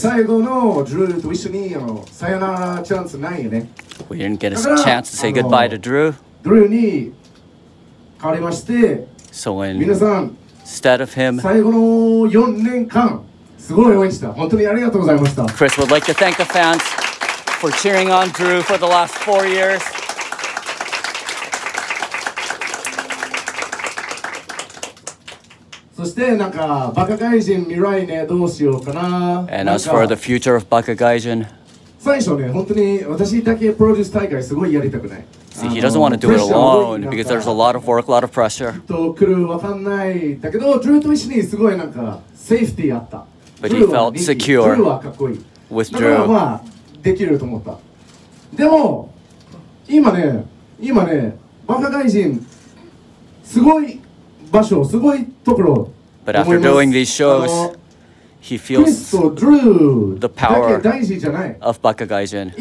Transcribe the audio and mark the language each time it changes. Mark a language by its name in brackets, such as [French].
[Japanese] 最後のドゥルーと一緒にあのさよならチャンスないよね。 [English] We didn't get a chance to say goodbye to Drew. [Japanese] Drew に変わりまして、 [English] so、when, [Japanese] 皆さん、 [English] instead of him, [Japanese] 最後の4年間、すごい応援した。本当にありがとうございました。 [English] Chris would like to thank the fans for cheering on Drew for the last 4 years. [Japanese] そしてなんか、バカ外人未来ね、どうしようかな。 [English] And as for the future of Baka Gaijin, [Japanese] 最初ね、本当に私だけプロデュース大会すごいやりたくない。 [English] See, he doesn't want to do it alone because there's a lot of work, a lot of pressure. [Japanese] きっと来るわかんない。だけど、ドゥルーと一緒にすごいなんか、セーフティーあった。 [English] But he felt secure. [Japanese] ドゥルーはかっこいい。 [English] With Drew. [Japanese] だからまあ、できると思った。でも、今ね、バカ外人、すごい場所、すごいところ。 [English] But after doing these shows,He feels the power of Baka Gaijin.